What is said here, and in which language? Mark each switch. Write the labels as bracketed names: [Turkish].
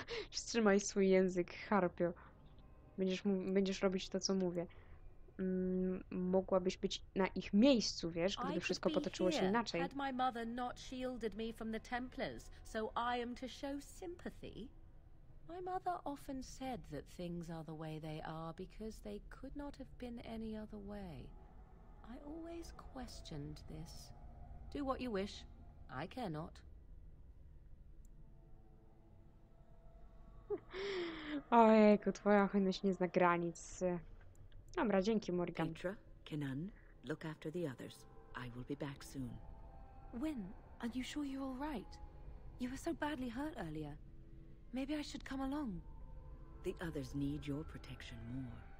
[Polish] Wstrzymaj swój język, Harpio. Będziesz robić to, co mówię. Mogłabyś być na ich miejscu, wiesz, gdyby wszystko potoczyło się inaczej. [English] Had my mother not shielded me from the Templars, so I am to show sympathy. My mother often said that things are the way they are because they could not have been any other way. I always questioned this. Do what you wish. I care not. [Polish] Ojejku, twoja hojność nie zna granic. Dobra, dzięki, Morgan. [English] Petra, Kenan, look after the others. I will be back soon. Wynn, are you sure you're all right? You were so badly hurt earlier. Maybe I should come along. The others need your protection more.